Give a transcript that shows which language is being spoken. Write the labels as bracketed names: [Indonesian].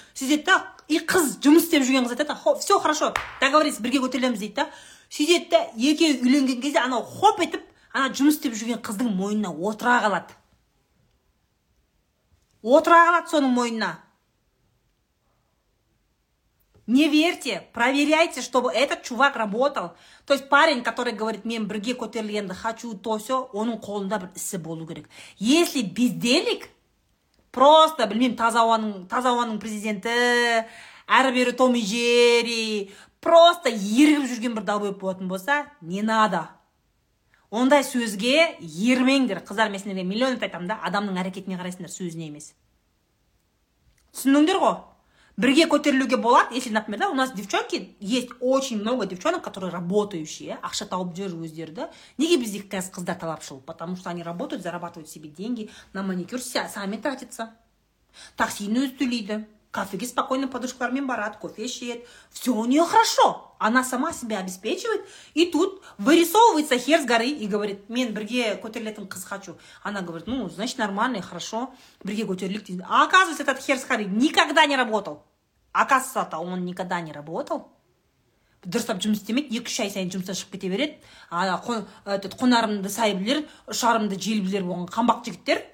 [Kazakh] Сөйтеді, и қыз жұмыс істеп жүрген қыз айтады, [Russian] все хорошо, договорись, [Kazakh] бірге көтерілеміз дейді. Сөйтеді, екеуі үйленген кезде анау хоп етіп, ана жұмыс істеп жүрген қыздың мойнына отыра қалады. Отыра қалады соның мойнына. [Russian] Не верьте, проверяйте, чтобы этот чувак работал. То есть парень, который говорит, [Kazakh] мен бірге көтерілгенді [Russian] хочу, то все, [Kazakh] оның қолында бір ісі болу керек. [Russian] Если безделик, просто, [Kazakh] білмем, таза ауаның президенті, әрбері Томи Джерри, просто еріп жүрген бір далбойып болатын болса, [Russian] не надо. [Kazakh] Ондай сөзге ермеңдер, қыздар месіндерге миллион айтам да, адамның әрекетіне қарайсындар сөзіне емес. Түсіндіңдер ғой? [Russian] Бірге көтерілуге болады, если, например, да, у нас девчонки, есть очень много девчонок, которые работающие, [Kazakh] ақша тауып жүр өздерді. Неге бізде қыздар талапшыл? [Russian] Потому что они работают, зарабатывают себе деньги, на маникюр сами тратятся. [Kazakh] Таксиін өзі төлейді, кафеге спокойно подружкалармен барады, кофе ішеді. [Russian] Все у нее хорошо. Она сама себя обеспечивает. И тут вырисовывается хер с горы и говорит, [Kazakh] мен бірге көтерілетін қыз [Russian] хочу. Она говорит, ну, значит, нормально, хорошо. [Kazakh] Бірге көтерілік. [Russian] А оказывается, этот хер с горы никогда не работал. Оказывается, он никогда не работал. [Kazakh] Дұрыстап жұмыс істемейді, екі-үш ай сайын жұмыстан шығып кете береді. Қонарымды сай білер, ұшарымды жел білер болған қамбақ жігіттер.